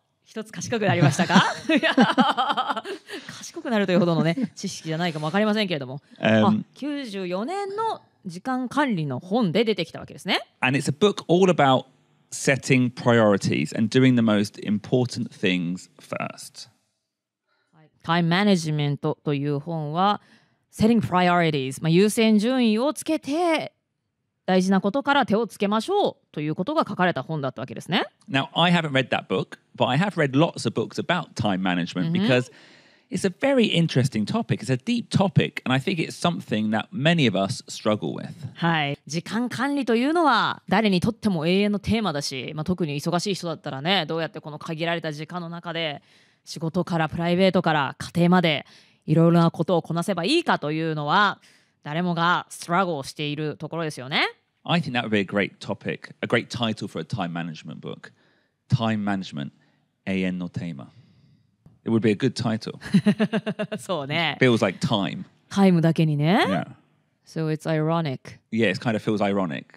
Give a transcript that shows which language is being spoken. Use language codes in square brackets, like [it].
[ja] 一つ賢くなりましたか?賢くなるというほどのね、知識じゃないかもわかりませんけれども。 94年の時間管理の本で出てきたわけですね。 [en] And it's a book all about setting priorities and doing the most important things first. [ja] Time management という本は、setting priorities、まあ、優先順位をつけて、大事なことから手をつけましょうということが書かれた本だったわけですね。 [en] Now, I haven't read that book, but I have read lots of books about time management because it's a very interesting topic. It's a deep topic, and I think it's something that many of us struggle with. [ja] はい。時間管理というのは誰にとっても永遠のテーマだし、まあ、特に忙しい人だったらね、どうやってこの限られた時間の中で仕事からプライベートから家庭までいろいろなことをこなせばいいかというのは誰もがストラッグルしているところですよね。 [en] I think that would be a great topic, a great title for a time management book. Time management, [ja] 永遠のテーマ。 [en] It would be a good title. [ja] そうね。 [en] It feels like time. [ja] タイムだけにね。 [en] Yeah. So it's ironic. Yeah, it kind of feels ironic.